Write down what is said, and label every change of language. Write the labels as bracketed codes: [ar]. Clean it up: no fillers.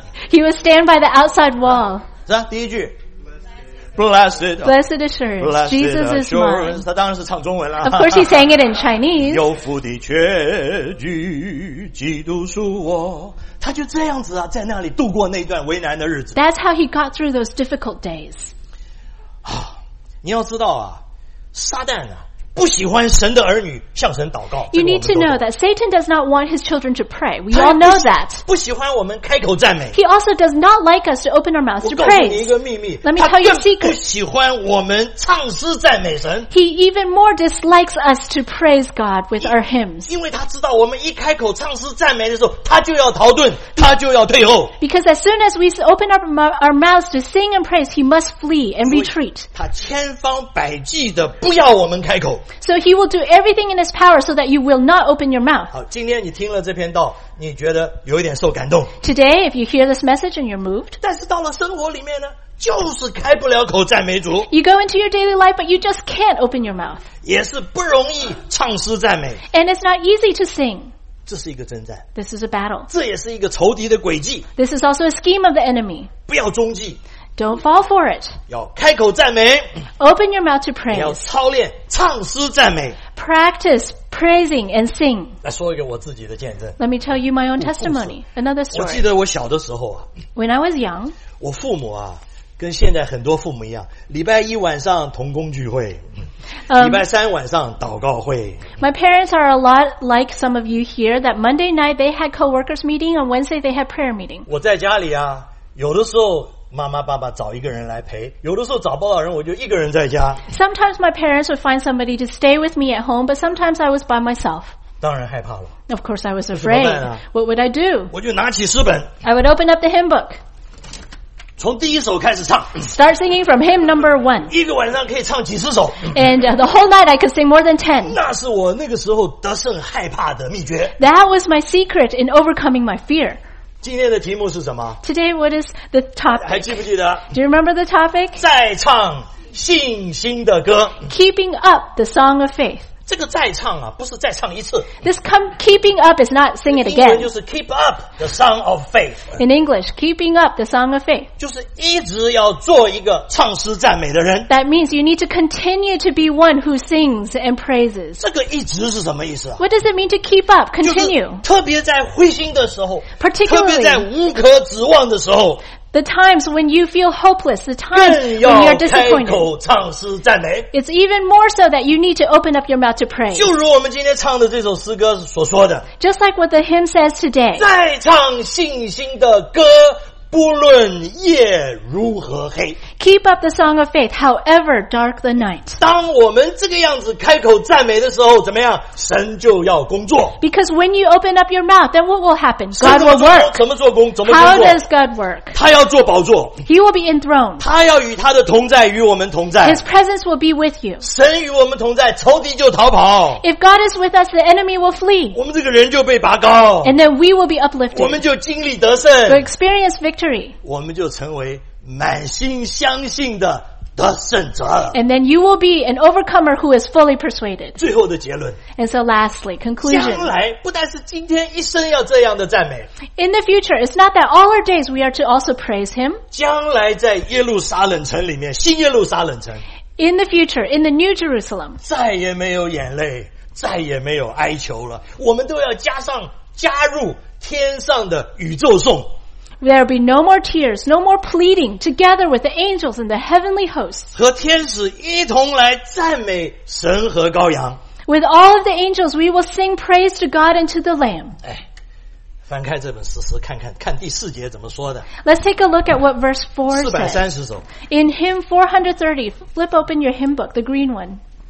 [en] He would stand by the outside wall. [zh] 是啊，第一句。 [en] Blessed, blessed assurance, Jesus is mine. [zh] 他当然是唱中文了。 [en] Of course, he sang it in Chinese. [zh] 有福的确据，基督属我。他就这样子啊，在那里度过那段为难的日子。 [en] That's how he got through those difficult days. [zh] 你要知道啊，撒旦啊。不喜欢神的儿女向神祷告。 [en] You need to know that Satan does not want his children to pray. We all know that. [zh] 不喜欢我们开口赞美。 [en] He also does not like us to open our mouths to praise. [zh] 我告诉你一个秘密。 [en] Let me tell you a secret. [zh] 他更不喜欢我们唱诗赞美神。 [en] He even more dislikes us to praise God with our hymns. [zh] 因为他知道我们一开口唱诗赞美的时候，他就要逃遁，他就要退后。 [en] Because as soon as we open up our mouths to sing and praise, he must flee and retreat. [zh] 他千方百计的不要我们开口。 [en] So he will do everything in his power so that you will not open your mouth. [zh] 好，今天你听了这篇道，你觉得有一点受感动。 [en] Today, if you hear this message and you're moved, [zh] 但是到了生活里面呢，就是开不了口赞美主。 [en] You go into your daily life, but you just can't open your mouth. [zh] 也是不容易唱诗赞美。 [en] And it's not easy to sing. [zh] 这是一个征战。 [en] This is a battle. [zh] 这也是一个仇敌的诡计。 [en] This is also a scheme of the enemy. [zh] 不要中计。 [en] Don't fall for it. [zh] 要开口赞美。 [en] Open your mouth to praise. [zh] 要操练唱诗赞美。 [en] Practice praising and sing. [zh] 来说一个我自己的见证。 [en] Let me tell you my own testimony. Another story. [zh] 我记得我小的时候啊。 [en] When I was young. [zh] 我父母啊，跟现在很多父母一样，礼拜一晚上同工聚会，礼拜三晚上祷告会。 [en] My parents are a lot like some of you here. That Monday night they had co-workers meeting, and Wednesday they had prayer meeting. [zh] 我在家里啊，有的时候。妈妈爸爸找一个人来陪，有的时候找不到人，我就一个人在家。 [en] Sometimes my parents would find somebody to stay with me at home, but sometimes I was by myself. [zh] 当然害怕了。 [en] Of course I was afraid. What would I do? [zh] 我就拿起诗本。 [en] I would open up the hymn book. [zh] 从第一首开始唱。 [en] Start singing from hymn number one. [zh] 一个晚上可以唱几十首。 [en] And the whole night I could sing more than 10. [zh] 那是我那个时候得胜害怕的秘诀。 [en] That was my secret in overcoming my fear. [zh] 今天的题目是什么？ [en] Today, what is the topic? [zh] 还记不记得？ [en] Do you remember the topic? [zh] 再唱信心的歌。 [en] Keeping up the song of faith. [zh] 这个再唱啊，不是再唱一次。 [en] This keeping up is not sing it again. [zh] 英文就是 [en] keep up the song of faith. In English, keeping up the song of faith. [zh] 就是一直要做一个唱诗赞美的人。 [en] That means you need to continue to be one who sings and praises. [zh] 这个一直是什么意思啊？ [en] What does it mean to keep up, continue? [zh] 就是特别在灰心的时候， [en] Particularly, [zh] 特别在无可指望的时候， [en] The times when you feel hopeless, the times when you're disappointed. [zh] 更要开口唱诗赞美。 [en] It's even more so that you need to open up your mouth to praise. [zh] 就如我们今天唱的这首诗歌所说的。 [en] Just like what the hymn says today. [zh] 再唱信心的歌，不论夜如何黑。 [en] Keep up the song of faith, however dark the night. [zh] 当我们这个样子开口赞美的时候，怎么样？神就要工作。 [en] Because when you open up your mouth, then what will happen? God will work. [zh] 怎么做工？怎么工作？ [en] How does God work? [zh] 他要做宝座。 [en] He will be enthroned. [zh] 他要与他的同在与我们同在。 [en] His presence will be with you. [zh] 神与我们同在，仇敌就逃跑。 [en] If God is with us, the enemy will flee. [zh] 我们这个人就被拔高。 [en] And then we will be uplifted. [zh] 我们就经历得胜。 [en] We'll experience victory. [zh] 我们就成为满心相信的得胜者。 [en] And then you will be an overcomer who is fully persuaded. [zh] 最后的结论。 [en] And so lastly, conclusion. [zh] 将来不但是今天一生要这样的赞美。 [en] In the future, it's not that all our days we are to also praise him. [zh] 将来在耶路撒冷城里面，新耶路撒冷城。 [en] In the future, in the New Jerusalem. [zh] 再也没有眼泪，再也没有哀求了。我们都要加入天上的宇宙颂。 [en] There will be no more tears, no more pleading, together with the angels and the heavenly hosts. [zh] 和天使一同来赞美神和羔羊。 [en] With all of the angels, we will sing praise to God and to the Lamb. [zh] 哎，翻开这本诗词，看看看第四节怎么说的。 [en] Let's take a look at what verse 4 says. [zh] 430首。 [en] In hymn 430, flip open your hymn book, the green one.